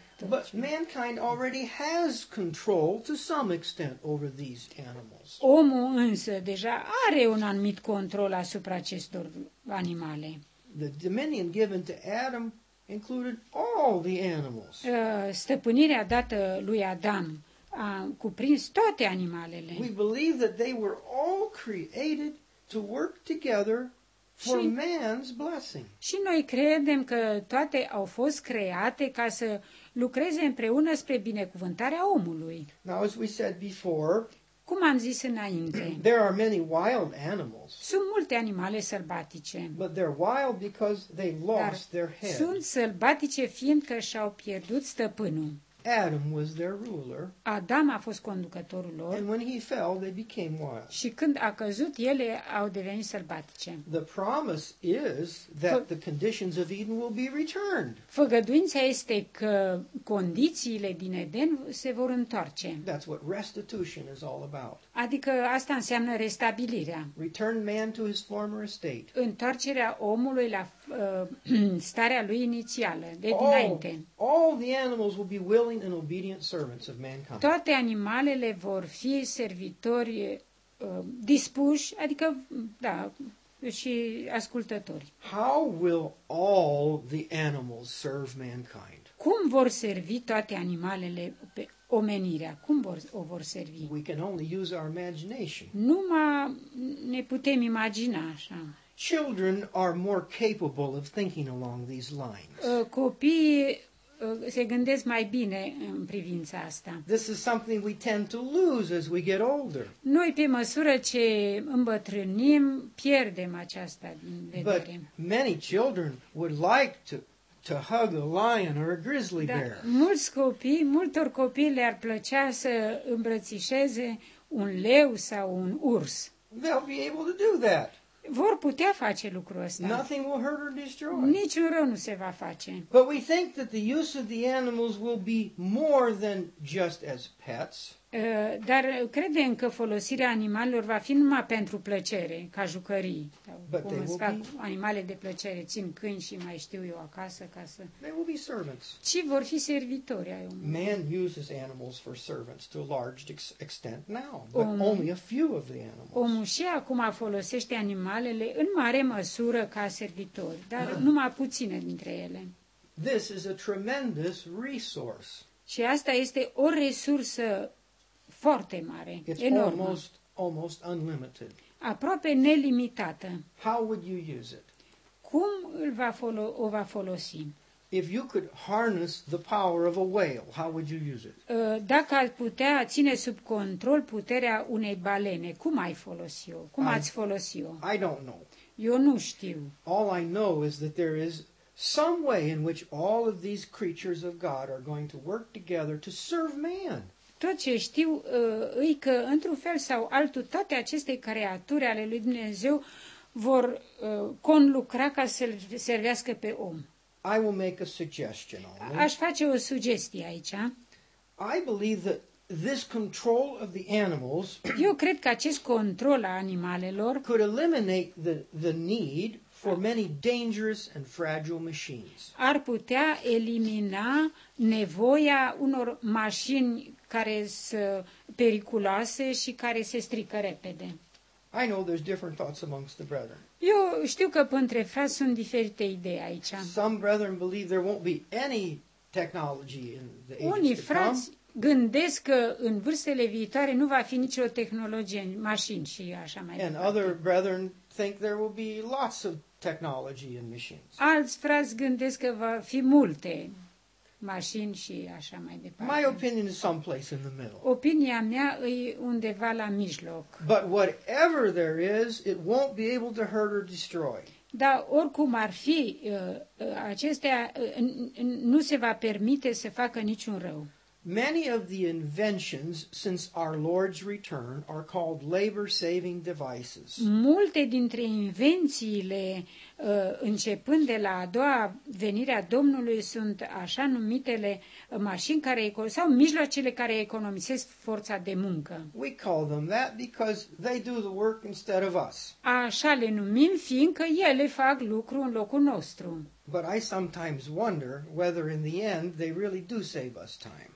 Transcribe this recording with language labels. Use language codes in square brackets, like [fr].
[en] But mankind already has control to some extent over these animals. [ro] Omul însă deja are un anumit control asupra acestor animale. [en] The dominion given to Adam included all the animals. [ro] Stăpânirea dată lui Adam a cuprins toate animalele. [en] We believe that they were all created to work together for man's blessing. [ro] Și noi credem că toate au fost create ca să lucreze împreună spre binecuvântarea omului. [en] Now, as we said before, [ro] cum am zis înainte, [en] there are many wild animals. [ro] Sunt multe animale sălbatice. [en] But they're wild because they lost their head. [ro] Sunt sălbatice fiindcă și-au pierdut stăpânul. [en] Adam was their ruler. [ro] Adam a fost conducătorul lor. [en] And when he fell, they became wild. [ro] Și când a căzut, ele au devenit sălbatice. [en] The promise is that the conditions of Eden will be returned. [ro] Făgăduința este că condițiile din Eden se vor întoarce. [en] That's what restitution is all about. [ro] Adică asta înseamnă restabilirea. [en] Return man to his former estate. [ro] Întoarcerea omului la starea lui inițială, de dinainte. [en] All the animals will be willing and obedient servants of mankind. [ro] Toate animalele vor fi servitori dispuși, adică da, și ascultători. [en] How will all the animals serve mankind? [ro] Cum vor servi toate animalele pe omenirea? Cum o vor servi? [en] We can only use our imagination. [ro] Numai ne putem imagina așa. [en] Children are more capable of thinking along these lines. [ro] Copiii se gândesc mai bine în privința asta. [en] This is something we tend to lose as we get older. [ro] Noi, pe măsură ce îmbătrânim, pierdem aceasta din vedere. [en] But many children would like to hug a lion or a grizzly bear. [ro] Multor copii le-ar plăcea să îmbrățișeze un leu sau un urs. [en] They'll be able to do that. [ro] Vor putea face lucrul ăsta. [en] Nothing will hurt or destroy. [ro] Niciun rău nu se va face. [en] But we think that the use of the animals will be more than just as pets. [ro] Dar credem că folosirea animalelor va fi numai pentru plăcere, ca jucării. [en] But [ro] cum îți fac animale de plăcere, țin câini și mai știu eu acasă ca să... [en] They will be servants. [ro] Ci vor fi servitori ai omului. [en] Man uses animals for servants to a large extent now, but only a few of the animals. [ro] Omul și acum folosește animalele în mare măsură ca servitori, dar numai puține dintre ele. [en] This is a tremendous resource. [ro] Și asta este o resursă foarte mare, [en] it's [ro] enormă. [en] Almost unlimited. [ro] Aproape nelimitată. [en] How would you use it? [ro] Cum o va folosi? [en] If you could harness the power of a whale, how would you use it? [ro] Dacă ați putea ține sub control puterea unei balene, cum ai folosi-o? Cum ați folosi-o? [en] I don't know. [ro] Eu nu știu. [en] All I know is that there is some way in which all of these creatures of God are going to work together to serve man. [ro] Tot ce știu e că, într-un fel sau altul, toate aceste creaturi ale lui Dumnezeu vor conlucra ca să-l servească pe om. [en] I will make a suggestion. [ro] Aș face o sugestie aici. [en] I believe that this control of the animals. [ro] Eu cred că acest control a animalelor [en] could eliminate the need for many dangerous and fragile machines. [ro] Ar putea elimina nevoia unor mașini care sunt periculoase și care se strică repede. [en] I know there's different thoughts amongst the brethren. [ro] Eu știu că între frați sunt diferite idei aici. [en] Some brethren believe there won't be any technology in the ages to come. [ro] Unii frați gândesc că în vârstele viitoare nu va fi nicio tehnologie în mașini și așa mai departe. [en] And other brethren think there will be lots of technology in machines. [ro] Alți frați gândesc că va fi multe mașini și așa mai departe. [en] My opinion is someplace in the middle. [ro] Opinia mea e undeva la mijloc. [en] But whatever there is, it won't be able to hurt or destroy. [ro] Dar oricum ar fi, acestea nu se va permite să facă niciun rău. [en] Many of the inventions since our Lord's return are called labor-saving devices. [ro] Multe dintre invențiile începând de la a doua venire a Domnului sunt așa numitele mașini care sau mijloacele care economisesc forța de muncă. [en] We call them that because they do the work instead of us. [ro] Așa le numim fiindcă ele fac lucru în locul nostru. [en] But I sometimes wonder whether in the end they really do save us time.